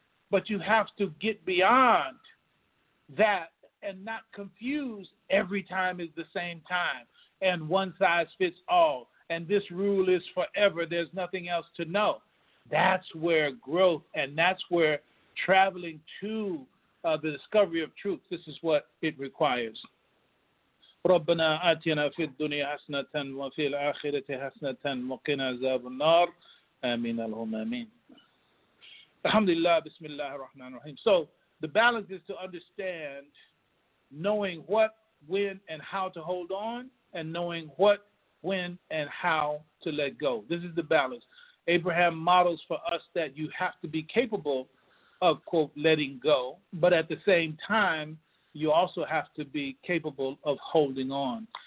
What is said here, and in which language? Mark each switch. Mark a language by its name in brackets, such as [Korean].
[English] But you have to get beyond that and not confuse every time is the same time and one size fits all, and this rule is forever. There's nothing else to know. That's where growth, and that's where traveling to the discovery of truth, this is what it requires. [Arabic] رَبَّنَا آتِنَا فِي الدُّنِيَا حَسْنَةً وَفِي الْآخِرَةِ حَسْنَةً وَقِنَا عَذَابَ النَّارِ آمِينَ اللَّهُمَّ آمِينَ Alhamdulillah, Bismillah ar-Rahman ar-Rahim. [English] So the balance is to understand knowing what, when, and how to hold on, and knowing what, when, and how to let go. This is the balance. Abraham models for us that you have to be capable of, quote, letting go, but at the same time, you also have to be capable of holding on.